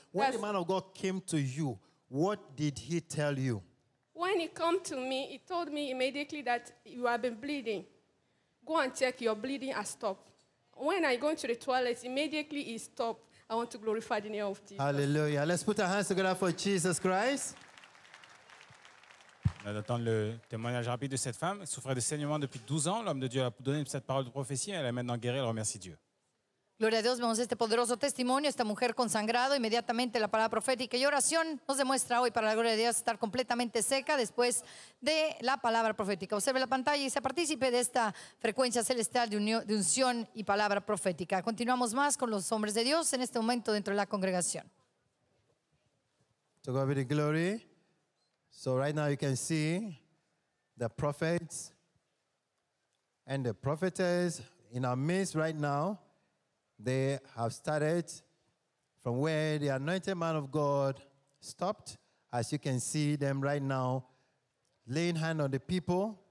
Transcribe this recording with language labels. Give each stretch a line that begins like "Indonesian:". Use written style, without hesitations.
English: When the man of God came to you, what did he tell you? When he came to me, he told me immediately that you have been bleeding. Go and check, your bleeding has stopped. When I go into the toilet, immediately he stopped. I want to glorify the name of Jesus. Hallelujah. Let's put our hands together for Jesus Christ.
French: On va attendre le témoignage rapide de cette femme. Elle souffrait de saignements depuis 12 ans. L'homme de Dieu a donné cette parole de prophétie. Elle est maintenant guérie. Elle remercie Dieu.
Spanish: Gloria a Dios, vemos este poderoso testimonio, esta mujer consagrado, inmediatamente la palabra profética y oración nos demuestra hoy para la gloria de Dios estar completamente seca después de la palabra profética. Observe la pantalla y se participe de esta frecuencia celestial de unión, de unción y palabra profética. Continuamos más con los hombres de Dios en este momento dentro de la congregación.
English: To God be the glory. So right now you can see the prophets and the prophetess in our midst right now. They have started from where the anointed man of God stopped. As you can see them right now, laying hand on the people.